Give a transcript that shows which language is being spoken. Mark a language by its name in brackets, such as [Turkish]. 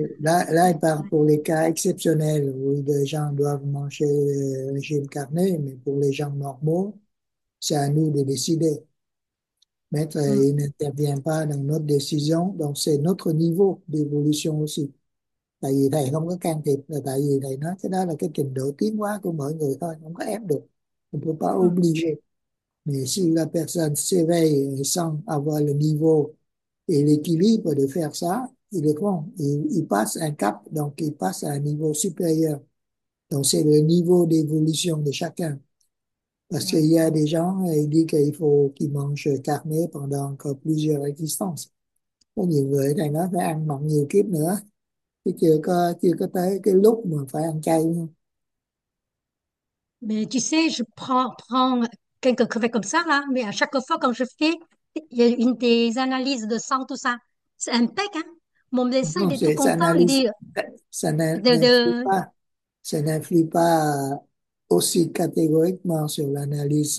[French] Là, il parle pour les cas exceptionnels où des gens doivent manger un régime carné, mais pour les gens normaux, c'est à nous de décider. Maître, il n'intervient pas dans notre décision, donc c'est notre niveau d'évolution aussi. [Vietnamese] Tại vì thầy không có can thiệp, là tại vì thầy nói cái đó là cái trình độ tiến hóa của mọi người thôi, không có ép được, không có [French] pas obligé. Mais si la personne s'éveille sans avoir le niveau et l'équilibre de faire ça, il est grand. Il passe un cap, donc il passe à un niveau supérieur. Donc c'est le niveau d'évolution de chacun. Parce qu'il y a des gens, ils disent qu'il faut qu'ils mangent carné pendant encore plusieurs existences. [Vietnamese] Có nhiều người thì nó phải ăn mặn nhiều kiếp nữa thì chưa có tới cái lúc mà phải ăn chay. [French] Mais tu sais, je prends quelques crevettes comme ça, là, mais à chaque fois quand je fais, il y a une des analyses de sang, tout ça. C'est impeccable, hein? Mon médecin, Non, il était ça content, il dit n'influe pas. Ça n'influe pas aussi catégoriquement sur l'analyse